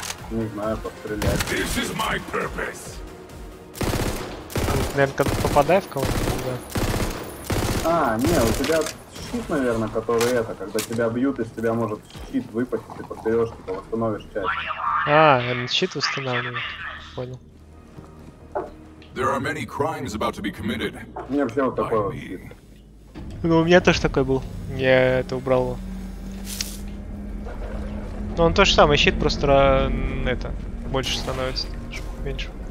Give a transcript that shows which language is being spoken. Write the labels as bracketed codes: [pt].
[ru] Не знаю, подстрелять. [en] This is my purpose. [ru] Наверное, когда попадаю в кого-то, да. А, не, у тебя щит, наверное, который это, когда тебя бьют, из тебя может щит выпасть, ты подберешь, типа восстановишь часть. А, щит восстанавливает. Понял. [en] There are many crimes about to be committed. [ru] Мне вообще вот такой вот щит. Ну у меня тоже такой был. Я это убрал. Ну он то же самое, щит просто это больше становится, меньше.